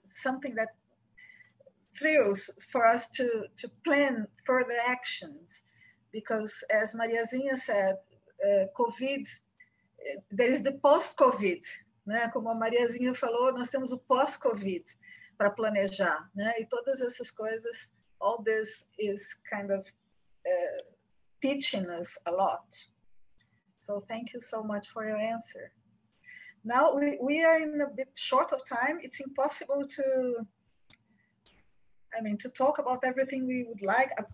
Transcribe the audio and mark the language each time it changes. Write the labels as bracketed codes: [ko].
[en] Something that thrills for us to plan further actions, because as Mariazinha said, COVID, there is the post-COVID, né? [pt] Como a Mariazinha falou, nós temos o post-COVID para planejar, né? E todas essas coisas. [en] All this is kind of teaching us a lot. So thank you so much for your answer. Now we are in a bit short of time. It's impossible to talk about everything we would like.